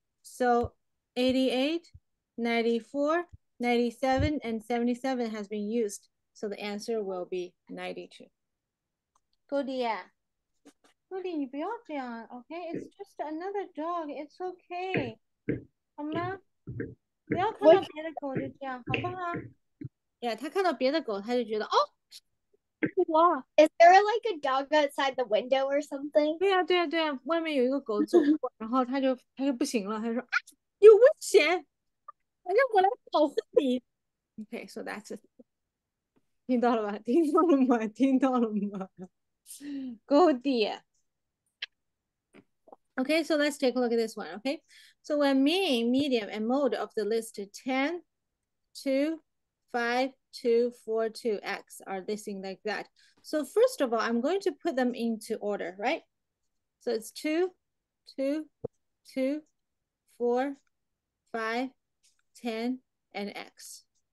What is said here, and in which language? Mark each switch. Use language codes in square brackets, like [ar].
[en] So 88, 94, 97, and 77 has been used. So the answer will be 92. Good, yeah. Goldie, [zh] 你不要这样， [en] OK? It's just another dog. It's okay. [zh] 好吗？不要看到别的狗就这样，好不好？呀，他看到别的狗，他就觉得哦， [en] 哇，Is there like a dog outside the window or something? [zh] 对呀，对呀，对呀，外面有一个狗走过，然后他就不行了，他说啊，有危险，让我来保护你。 [en] Okay, so that's it. [zh] 听到了吧？听到了吗？听到了吗？Goldie. [en] Okay, so let's take a look at this one. Okay, so when mean, medium, and mode of the list 10, 2, 5, 2, 4, 2, x are this thing like that. So first of all, I'm going to put them into order, right? So it's 2, 2, 2, 4, 5, 10, and x.